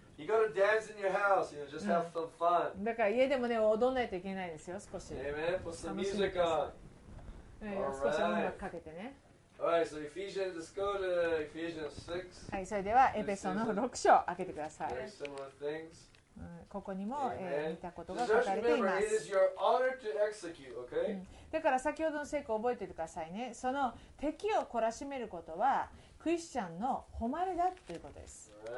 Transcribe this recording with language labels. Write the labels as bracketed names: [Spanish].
[English] You gotta dance in your house, you know, just have some fun. [Japanese] だから家でもね踊んないといけないですよ少し。 [English] Amen. Put some music on. [Japanese] 少し音楽かけてね。 [English] Alright, so Ephesians, let's go to Ephesians 6. [Japanese] はい、それではエペソの6章開けてください。 [English] Very similar things. [Japanese] ここにも見たことが書かれています。 [English] Just remember, it is your honor to execute, okay? [Japanese] だから先ほどの聖句を覚えててくださいね。その敵を懲らしめることは。クリスチャンの誉れだということです。